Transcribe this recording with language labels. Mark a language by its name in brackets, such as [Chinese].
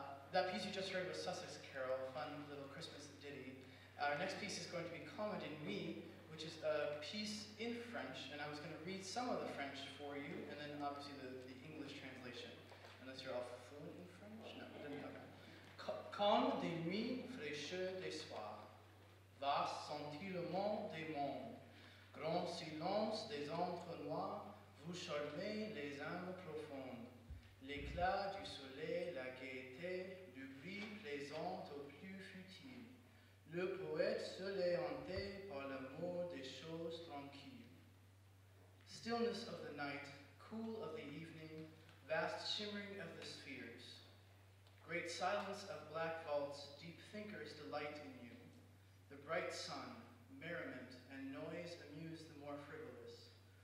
[English] That piece you just heard was Sussex Carol, a fun little Christmas ditty. Our next piece is going to be Comet in Me, which is a piece in French, and I was going to read some of the French for you, and then obviously the English translation. Unless you're all fluent in French? No, it didn't happen. [French] Comme des nuits fraîches des soirs, vaste scintillement des mondes, grand silence des entre noirs, vous charmez les âmes profondes, l'éclat du soleil, la gaieté, du bruit plaisant au plus futile. Le poète seul est hanté par le mot des choses tranquilles. [English] Stillness of the night, cool of the evening, vast shimmering of the spheres. Great silence of black vaults, deep thinkers delight in you. The bright sun, merriment, and noise amuse the more frivolous.